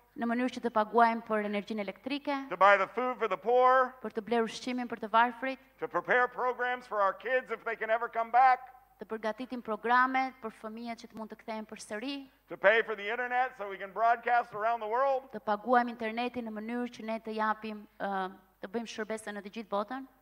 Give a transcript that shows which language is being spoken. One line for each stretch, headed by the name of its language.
Albanian: Në mënyrë që të paguajmë për energjinë elektrike,
English: to buy the food for the poor,
Albanian: për të bler ushqimin për të varfrit,
English: to prepare programs for our kids if they can ever come back,
Albanian: të përgatitim programe për fëmijët që të mund të kthehen përsëri,
English: to pay for the internet so we can broadcast around the world,
Albanian: të paguajmë internetin në mënyrë që ne të japim të bëjmë shërbesën në të gjithë botën.